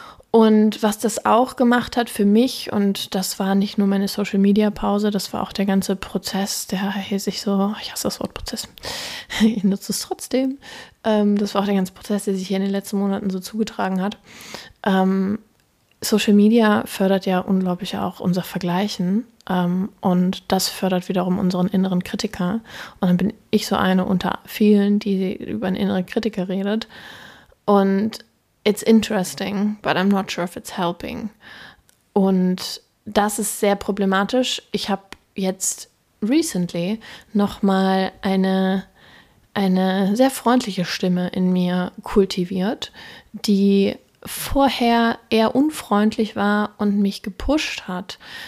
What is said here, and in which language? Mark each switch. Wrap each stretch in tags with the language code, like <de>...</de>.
<de>Und was das auch gemacht hat für mich, und das war nicht nur meine Social-Media-Pause, das war auch der ganze Prozess, der hieß sich so, ich hasse das Wort Prozess, ich nutze es trotzdem, das war auch der ganze Prozess, der sich hier in den letzten Monaten so zugetragen hat. Social-Media fördert ja unglaublich auch unser Vergleichen und das fördert wiederum unseren inneren Kritiker. Und dann bin ich so eine unter vielen, die über einen inneren Kritiker redet. Und</de> <en>it's interesting, but I'm not sure if it's helping.</en> <de>Und das ist sehr problematisch. Ich habe jetzt recently nochmal eine sehr freundliche Stimme in mir kultiviert, die vorher eher unfreundlich war und mich gepusht hat.</de>